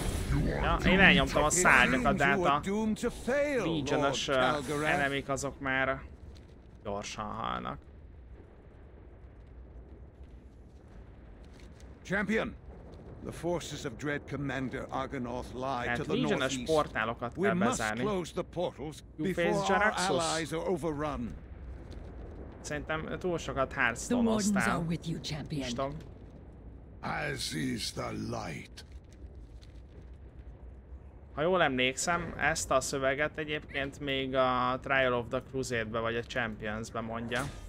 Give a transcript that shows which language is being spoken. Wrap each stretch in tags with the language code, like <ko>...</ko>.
<en>You are doomed.</en> <hu>Ja, én elnyomtam a szárnyakat, de hát a Legion-os enemik azok már gyorsan halnak.</hu> <en>Champion, the forces of Dread Commander Argonoth lie to the northeast. We must close the portals before our allies are overrun.</en> <hu>Szerintem túl sokat hearthstone-oztál. Stong.</hu> <en>As is the light.</en> <hu>Ha jól emlékszem, ezt a szöveget egyébként még a Trial of the Crusade-be vagy a Champions-be mondja.</hu>